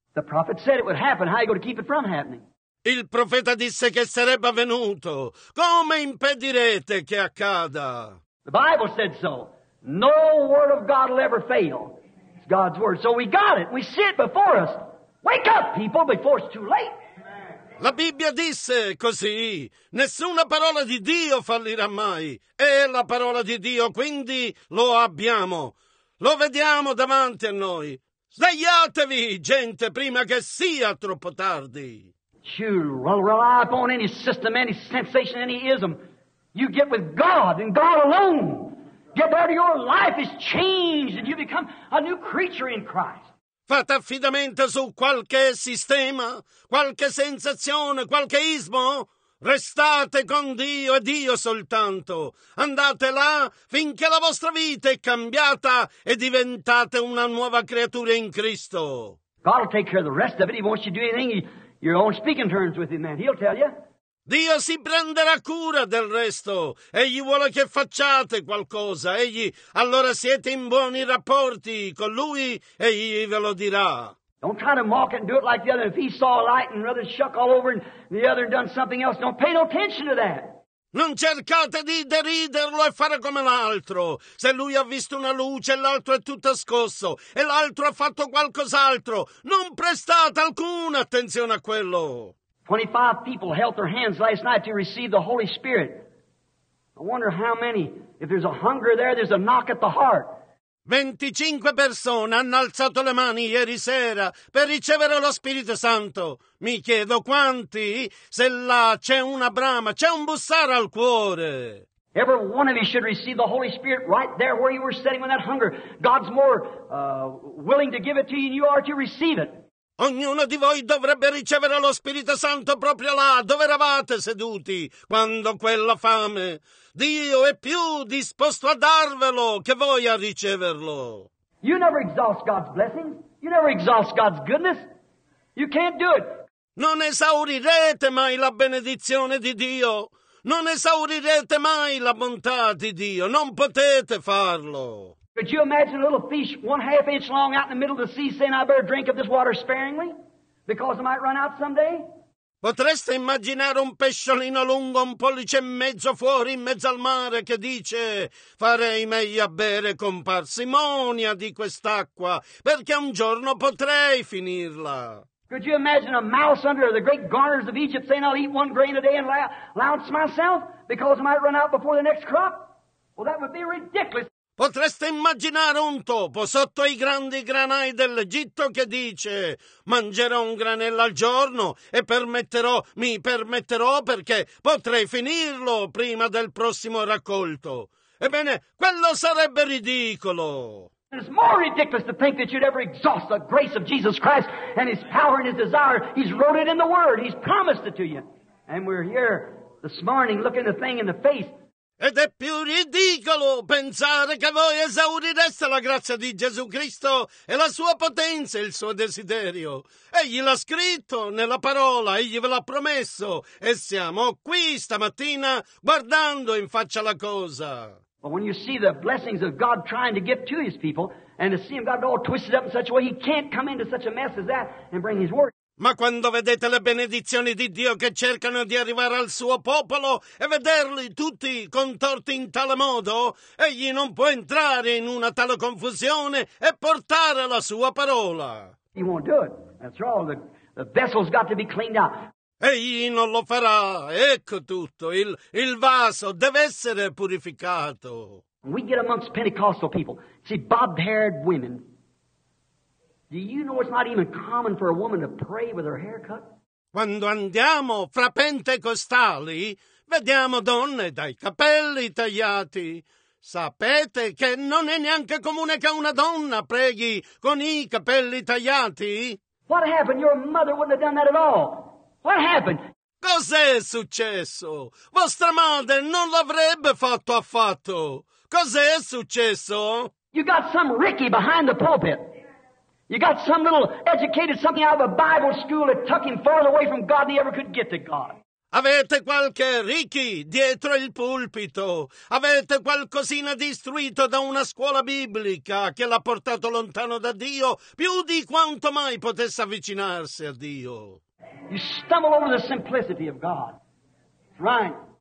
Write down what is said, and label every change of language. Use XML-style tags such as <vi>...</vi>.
<en>The prophet said it would happen. How are you going to keep it from happening?</en> <it>Il profeta disse che sarebbe avvenuto. Come impedirete che accada?</it> <en>The Bible said so. No word of God will ever fail. It's God's word. So we got it. We see it before us. Wake up, people, before it's too late.</en> <it>La Bibbia disse così. Nessuna parola di Dio fallirà mai. È la parola di Dio, quindi lo abbiamo. Lo vediamo davanti a noi. Svegliatevi, gente, prima che sia troppo tardi.</it> <en>You rely upon any system, any sensation, any ism. You get with God and God alone. Get there, your life is changed and you become a new creature in Christ.</en> <it>Fate affidamento su qualche sistema, qualche sensazione, qualche ismo. Restate con Dio e Dio soltanto. Andate là finché la vostra vita è cambiata e diventate una nuova creatura in Cristo.</it> <en>God will take care of the rest of it. He wants you to do anything. Your own speaking terms with him, man. He'll tell you.</en> <it>Dio si prenderà cura del resto. Egli vuole che facciate qualcosa. Egli, allora siete in buoni rapporti con lui, e egli ve lo dirà.</it> <en>Don't try to mock it and do it like the other. If he saw a light and the other shook all over and the other done something else, don't pay no attention to that.</en> <it>Non cercate di deriderlo e fare come l'altro. Se lui ha visto una luce e l'altro è tutto scosso e l'altro ha fatto qualcos'altro, non prestate alcuna attenzione a quello.</it> <en>25 people held their hands last night to receive the Holy Spirit. I wonder how many. If there's a hunger there, there's a knock at the heart.</en> <it>25 persone hanno alzato le mani ieri sera per ricevere lo Spirito Santo. Mi chiedo quanti, se là c'è una brama, c'è un bussare al cuore.</it> <en>Every one of you should receive the Holy Spirit right there where you were sitting with that hunger. God's more willing to give it to you than you are to receive it.</en> <it>Ognuno di voi dovrebbe ricevere lo Spirito Santo proprio là dove eravate seduti quando quella fame. Dio è più disposto a darvelo che voi a riceverlo.</it> <en>You never exhaust God's blessing. You never exhaust God's goodness. You can't do it.</en> <it>Non esaurirete mai la benedizione di Dio. Non esaurirete mai la bontà di Dio. Non potete farlo.</it> <en>Could you imagine a little fish one half inch long out in the middle of the sea saying, I better drink of this water sparingly because I might run out someday?</en> <it>Potreste immaginare un pesciolino lungo, un pollice e mezzo fuori in mezzo al mare che dice: farei meglio a bere con parsimonia di quest'acqua, perché un giorno potrei finirla.</it> <en>Could you imagine a mouse under the great garners of Egypt saying, I'll eat one grain a day and louse myself because I might run out before the next crop? Well, that would be ridiculous.</en> <it>Potreste immaginare un topo sotto i grandi granai dell'Egitto che dice: mangerò un granello al giorno e mi permetterò perché potrei finirlo prima del prossimo raccolto. Ebbene, quello sarebbe ridicolo.</it> <en>It's more ridiculous to think that you'd ever exhaust the grace of Jesus Christ and his power and his desire. He's wrote it in the word. He's promised it to you. And we're here this morning looking the thing in the face.</en> <it>Ed è più ridicolo pensare che voi esaurireste la grazia di Gesù Cristo e la sua potenza e il suo desiderio. Egli l'ha scritto nella parola, egli ve l'ha promesso, e siamo qui stamattina guardando in faccia la cosa.</it> <en>But when you see the blessings of God trying to get to his people, and to see him got it all twisted up in such a way he can't come into such a mess as that and bring his word.</en> <it>Ma quando vedete le benedizioni di Dio che cercano di arrivare al suo popolo e vederli tutti contorti in tale modo, egli non può entrare in una tale confusione e portare la sua parola.</it> <en>He won't do it. That's all. The vessel's got to be cleaned out.</en> <it>Egli non lo farà. Ecco tutto. Il vaso deve essere purificato.</it> <en>We get amongst Pentecostal people. See, bob-haired women. Do you know it's not even common for a woman to pray with her hair cut?</en> <it>Quando andiamo fra pentecostali, vediamo donne dai capelli tagliati. Sapete che non è neanche comune che una donna preghi con i capelli tagliati?</it> <en>What happened? Your mother wouldn't have done that at all. What happened?</en> <it>Cos'è successo? Vostra madre non l'avrebbe fatto affatto. Cos'è successo?</it> <en>You got some Ricky behind the pulpit. You got some little educated something out of a Bible school that took him further away from God than he ever could get to God.</en> <it>Avete qualche Ricky dietro il pulpito? Avete qualcosina distruito da una scuola biblica che l'ha portato lontano da Dio più di quanto mai potesse avvicinarsi a Dio?</it> <en>You stumble over the simplicity of God. Right.</en>